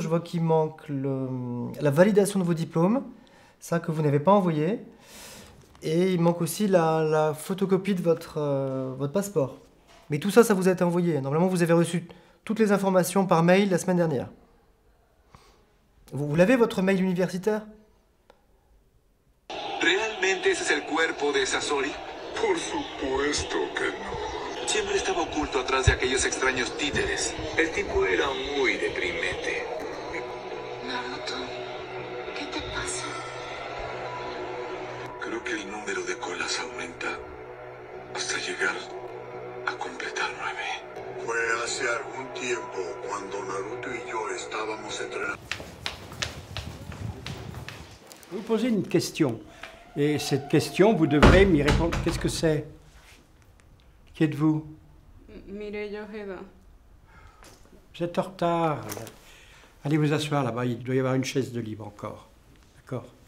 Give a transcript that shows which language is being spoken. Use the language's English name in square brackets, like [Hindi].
[French] Je vois qu'il manque la validation de vos diplômes, ça que vous n'avez pas envoyé. Et il manque aussi la photocopie de votre passeport. Mais tout ça, ça vous a été envoyé. Normalement, vous avez reçu toutes les informations par mail la semaine dernière. Vous l'avez, votre mail universitaire? [Spanish] Realmente ese es el cuerpo de Sassoli? Por supuesto que no. Siempre estaba oculto atrás de aquellos extraños títeres. El tipo era muy deprimente. Naruto, ¿qué te pasa? Creo que el número de colas aumenta hasta llegar a completar 9. Fue hace algún tiempo cuando Naruto y yo estábamos entrenando. [French] Vous posez une question. Et cette question, vous devrez m'y répondre. Qu'est-ce que c'est? Qui êtes-vous? Mireya Ojeda. Vous êtes en retard. Allez vous asseoir là-bas, il doit y avoir une chaise de libre encore. D'accord.